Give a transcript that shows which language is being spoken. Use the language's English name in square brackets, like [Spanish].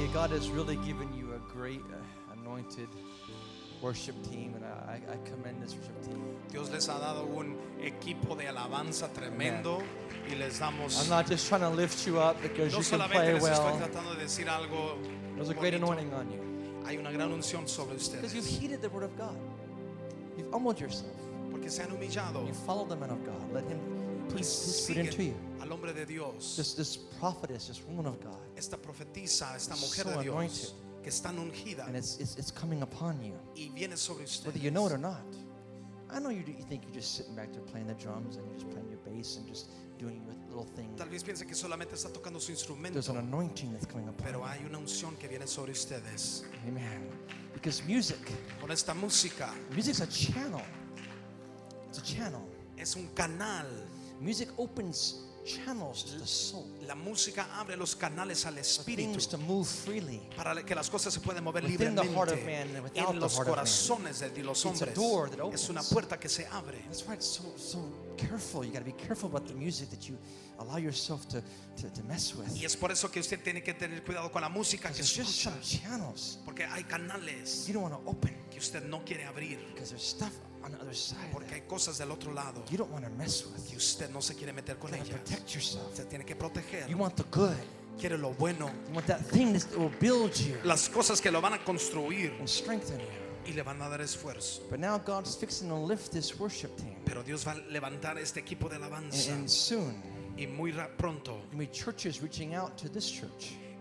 [English] Has really given you a great anointed worship team, and I commend this worship team. [Spanish] Dios les ha dado un equipo de alabanza tremendo, y les damos. [English] I'm not just trying to lift you up because you can play well. [Spanish] Estoy tratando de decir algo. [English] There's a great anointing on you. [Spanish] Hay una gran unción sobre ustedes. [English] Because you've heeded the word of God, you've humbled yourself. [Spanish] Porque se han humillado. [English] You followed the man of God. Let him please speak into you. [Spanish] Al hombre de Dios. [English] This prophetess, this woman of God. [Spanish] Esta profetisa, esta mujer de Dios, que está ungida, [English] and it's coming upon you, [Spanish] y viene sobre ustedes. [English] Whether you know it or not. I know you think you're just sitting back there playing the drums and you're just playing your bass and just doing your little thing. [Spanish] Tal vez piense que solamente está tocando su instrumento. [English] There's an anointing that's coming upon. [Spanish] Pero hay una unción que viene sobre ustedes. [English] Amen. Because music, [Spanish] con esta música, [English] music's a channel. It's a channel. [Spanish] Es un canal. [English] Music opens channels to the soul. [Spanish] La música abre los canales al espíritu. [English] Things to move freely. [Spanish] Para que las cosas se puedan mover libremente. [English] Within the heart of man and without the heart corazones of man. [Spanish] De los hombres. [English] It's a door that opens. [Spanish] Es una puerta que se abre. [English] That's why it's so careful. You got to be careful about the music that you allow yourself to mess with. [Spanish] Y es por eso que usted tiene que tener cuidado con la música que escucha. [English] Just some channels. [Spanish] Porque hay canales. [English] You don't want to open. [Spanish] Que usted no quiere abrir. [English] Because there's stuff on the other side. [Spanish] Porque hay cosas del otro lado. [English] You don't want to mess with. [Spanish] Que usted no se quiere meter con ellas. [English] Protect yourself. [Spanish] Usted tiene que proteger. [English] You want the good. [Spanish] Quiere lo bueno. [English] You want that thing that will build you. [Spanish] Las cosas que lo van a construir. [English] And strengthen you. [Spanish] Y le van a dar esfuerzo. [English] But now God's fixing to lift this worship team. [Spanish] Pero Dios va a levantar este equipo de alabanza. [English] And soon. [Spanish] Y muy pronto. [English] There will be churches reaching out to this church.